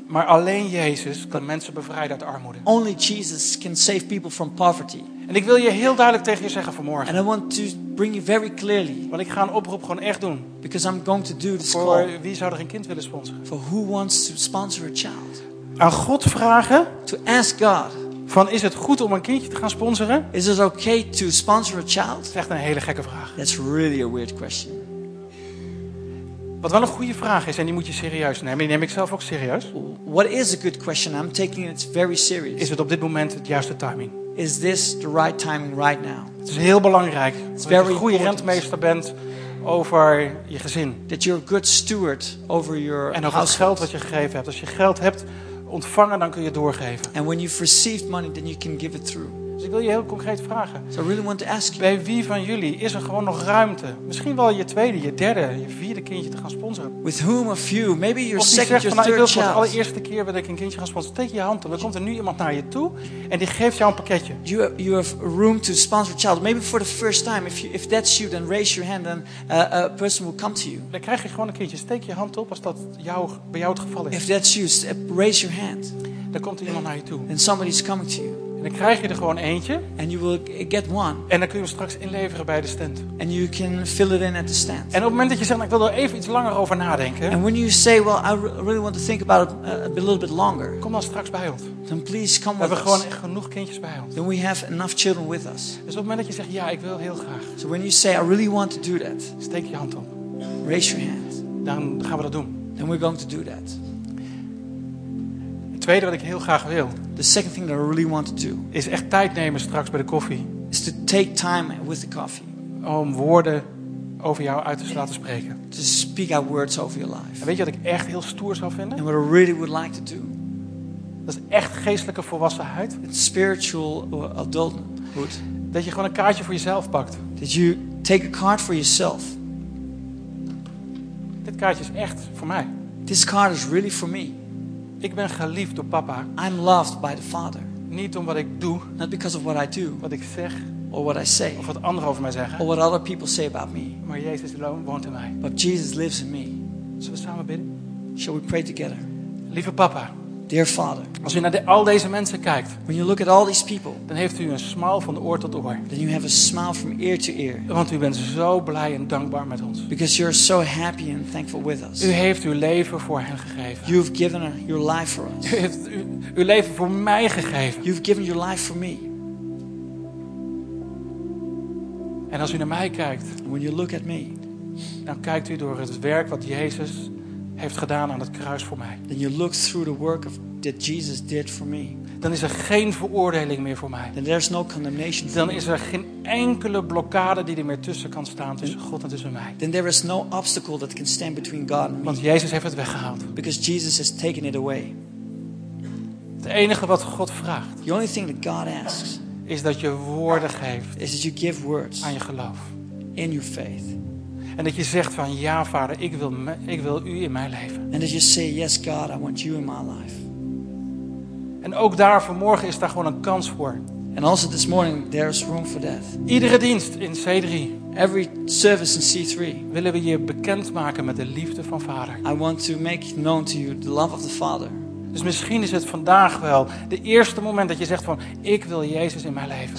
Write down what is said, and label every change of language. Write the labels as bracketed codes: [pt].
[nl] Maar alleen Jezus kan mensen bevrijden uit armoede. [en] Only Jesus can save people from poverty. [nl] En ik wil je heel duidelijk tegen je zeggen vanmorgen. [en] And I want to bring you very clearly. [nl] Want ik ga een oproep gewoon echt doen. [en] Because I'm going to do this call. [nl] Voor wie zou er een kind willen sponsoren? [en] For who wants to sponsor a child? [nl] Aan God vragen. [en] To ask God. [nl] Van is het goed om een kindje te gaan sponsoren? [en] Is it okay to sponsor a child? [nl] Dat is echt een hele gekke vraag. [en] That's really a weird question. [nl] Wat wel een goede vraag is, en die moet je serieus nemen, die neem ik zelf ook serieus. [en] What is a good question? I'm taking it very serious. [nl] Is het op dit moment het juiste timing? [en] Is this the right timing right now? [nl] Het is heel belangrijk dat je een goede rentmeester bent over je gezin. [en] That you're a good steward over your [nl] en over het geld wat je gegeven hebt. Als je geld hebt ontvangen, dan kun je doorgeven. [en] And when you've received money, then you can give it through. [nl] Dus ik wil je heel concreet vragen. [en] So I really want to ask you, [nl] bij wie van jullie is er gewoon nog ruimte? Misschien wel je tweede, je derde, je vierde kindje te gaan sponsoren. [en] With whom of you? Maybe your of second, [nl] zegt, [en] your third child. [nl] Ik wil voor de allereerste keer dat ik een kindje ga sponsoren. Steek je hand op. Er komt er nu iemand naar je toe en die geeft jou een pakketje. [en] You have room to sponsor a child. Maybe for the first time. If that's you, then raise your hand and a person will come to you. [nl] Dan krijg je gewoon een kindje. Steek je hand op als dat bij jou het geval is. [en] If that's you, raise your hand. [nl] Dan komt er iemand naar je toe. [en] And somebody's coming to you. [nl] En dan krijg je er gewoon eentje. [en] And you will get one. [nl] En dan kun je hem straks inleveren bij de stand. [en] And you can fill it in at the stand. [nl] En op het moment dat je zegt, nou, ik wil er even iets langer over nadenken. [en] And when you say, well, I really want to think about it a little bit longer. [nl] Kom dan straks bij ons. [en] Then please come with us. [nl] We hebben gewoon echt genoeg kindjes bij ons. [en] Then we have enough children with us. [nl] Dus op het moment dat je zegt, ja, ik wil heel graag. [en] So when you say, I really want to do that. [nl] Steek je hand op. [en] Raise your hand. [nl] Dan gaan we dat doen. [en] Then we're going to do that. [nl] tweede wat ik heel graag wil. [en] The second thing that I really want to do [nl] is echt tijd nemen straks bij de koffie. [en] Is to take time with the coffee. [nl] Om woorden over jou uit te laten spreken. [en] To speak out words over your life. [nl] En weet je wat ik echt heel stoer zou vinden? [en] And what I really would like to do. [nl] Dat is echt geestelijke volwassenheid. [en] It's spiritual adulthood. [nl] Dat je gewoon een kaartje voor jezelf pakt. [en] That you take a card for yourself. [nl] Dit kaartje is echt voor mij. [en] This card is really for me. [nl] Ik ben geliefd door papa. [en] I'm loved by the father. [nl] Niet om wat ik doe. [en] Not because of what I do. [nl] Wat ik zeg. [en] Or what I say. [nl] Of wat anderen over mij zeggen. [en] Or what other people say about me. [nl] Maar Jezus woont in mij. [en] But Jesus lives in me. [nl] Zullen we samen bidden? [en] Shall we pray together? [nl] Lieve papa. [en] Dear father. [nl] Als u naar al deze mensen kijkt. [en] When you look at all these people. [nl] Dan heeft u een smile van oor tot oor. [en] Then you have a smile from ear to ear. [nl] Want u bent zo blij en dankbaar met ons. [en] Because you're so happy and thankful with us. [nl] U heeft uw leven voor hen gegeven. [en] You've given your life for us. [nl] U heeft uw leven voor mij gegeven. [en] You've given your life for me. [nl] En als u naar mij kijkt. [en] When you look at me. [nl] Dan kijkt u door het werk wat Jezus heeft gedaan aan het kruis voor mij. [en] Then you look through the work of that Jesus did for me. [nl] Dan is er geen veroordeling meer voor mij. [en] Then there's no condemnation. [nl] Dan is er geen enkele blokkade die er meer tussen kan staan tussen God en tussen mij. [en] Then there is no obstacle that can stand between God and me. [nl] Want Jezus heeft het weggehaald. [en] Because Jesus has taken it away. [nl] Het enige wat God vraagt. [en] The only thing that God asks [nl] is dat je woorden geeft. [en] Is that you give words [nl] aan je geloof. [en] In your faith. [nl] En dat je zegt van ja, Vader, ik wil u in mijn leven. [en] And that you say yes, God, I want you in my life. [nl] En ook daar vanmorgen is daar gewoon een kans voor. [en] And also this morning there is room for that. [nl] Iedere dienst in C3. [en] Every service in C3. [nl] Willen we je bekend maken met de liefde van Vader. [en] I want to make known to you the love of the Father. [nl] Dus misschien is het vandaag wel de eerste moment dat je zegt van ik wil Jezus in mijn leven.